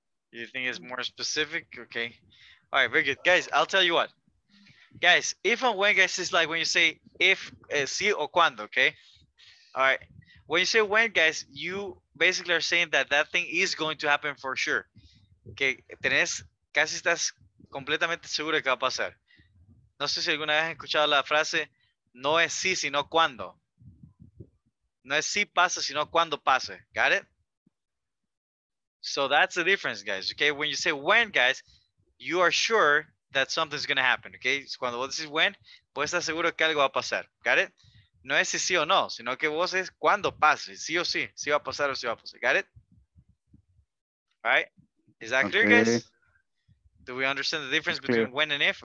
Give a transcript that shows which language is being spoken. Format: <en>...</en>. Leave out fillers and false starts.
<en>You think it's more specific? Okay. All right, very good. Guys, I'll tell you what. Guys, if and when, guys, is like when you say if,</en> <es>si o cuando,</es> <en>okay? All right. When you say when, guys, you basically are saying that that thing is going to happen for sure.</en> <es>Que tenés, casi estás completamente seguro que va a pasar. No sé si alguna vez has escuchado la frase, no es si, sino cuando. No es si pasa, sino cuando pase.</es> <en>Got it? So that's the difference, guys. Okay, when you say when, guys, you are sure that something's going to happen.</en> <es>Okay, cuando vos decís when, pues estás seguro que algo va a pasar.</es> <en>Got it?</en> <es>No es si sí o no, sino que vos es cuando pase, sí o sí, si va a pasar o si va a pasar.</es> <en>Got it? All right? Is that clear, guys? Do we understand the difference between when and if?</en>